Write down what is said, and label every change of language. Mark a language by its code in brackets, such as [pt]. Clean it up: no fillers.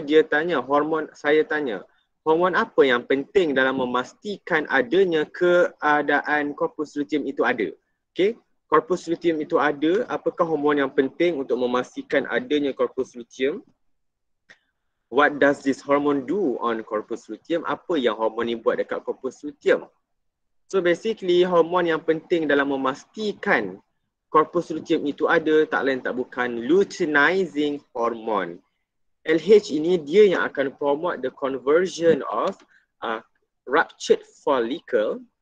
[ms] Dia tanya, hormon, saya tanya, hormon apa yang penting dalam memastikan adanya keadaan corpus luteum itu ada? Okay, corpus luteum itu ada, apakah hormon yang penting untuk memastikan adanya corpus luteum? [en] What does this hormone do on corpus luteum? [ms] Apa yang hormon ni buat dekat corpus luteum? So basically, hormon yang penting dalam memastikan corpus luteum itu ada, tak lain tak bukan luteinizing hormone. LH ini dia yang akan [en] promote the conversion of ruptured follicle.